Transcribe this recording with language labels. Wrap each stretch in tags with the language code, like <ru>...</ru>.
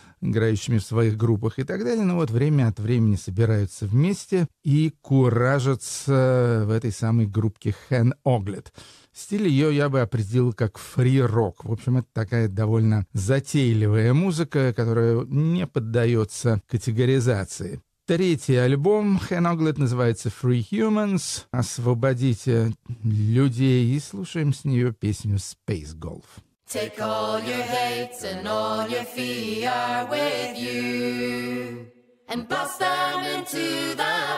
<ru>играющими в своих группах и так далее. Но вот время от времени собираются вместе и куражатся в этой самой группке Hen Oglet. Стиль ее я бы определил как фри-рок. В общем, это такая довольно затейливая музыка, которая не поддается категоризации. Третий альбом Hen Oglet называется Free Humans. Освободите людей и слушаем с нее песню Space Golf.</ru> <en>Take all your hates and all your fear with you and blast them into the</en>